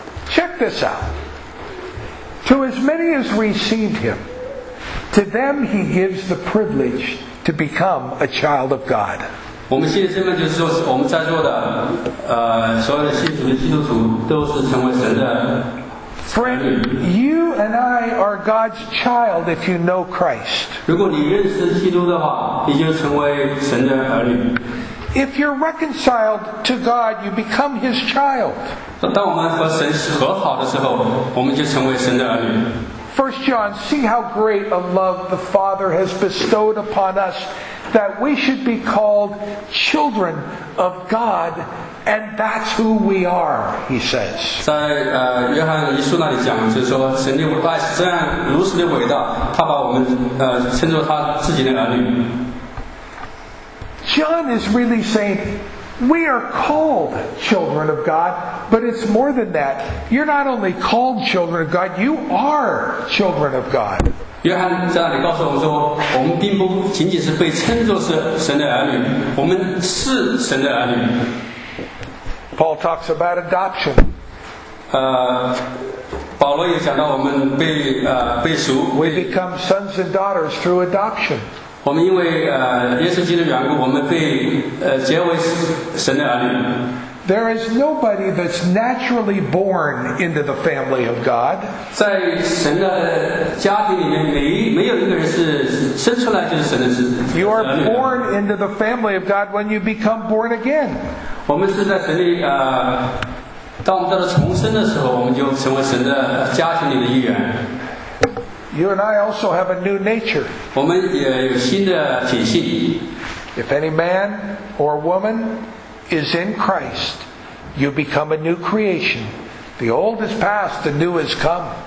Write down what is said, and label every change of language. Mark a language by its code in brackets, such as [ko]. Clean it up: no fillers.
[en] Check this out. To as many as received him, to them he gives the privilege to become a child of God. [zh] 我们信的身份就是说我们在座的所有的信主的基督徒都是成为神的 [en] Friend, you and I are God's child if you know Christ. [zh] 如果你认识基督的话，你就成为神的儿女。 [en] If you're reconciled to God, you become His child. [zh] 当我们和神和好的时候，我们就成为神的儿女。 [en] First John, see how great a love the Father has bestowed upon us that we should be called children of God, and that's who we are, he says. [zh] 在约翰一书那里讲，就是说神的爱是这样如此的伟大，他把我们称作他自己的儿女。 [en] John is really saying. We are called children of God, but it's more than that. You're not only called children of God, you are children of God. [zh] 约翰在那里告诉我们说，我们并不仅仅是被称作是神的儿女，我们是神的儿女。 [en] Paul talks about adoption. [zh] 保罗也讲到我们被赎。 [en] We become sons and daughters through adoption. [zh] 我们因为耶稣基督的缘故，我们被结为神的儿女。 [en] There is nobody that's naturally born into the family of God. [zh] 在神的家庭里面，没有一个人是生出来就是神的子。 [en] You are born into the family of God when you become born again. [zh] 我们是在神里当我们叫做重生的时候，我们就成为神的家庭里的一员。 [en] You and I also have a new nature. [zh] 我们也有新的体系。 [en] If any man or woman is in Christ, you become a new creation. The old is past, the new has come.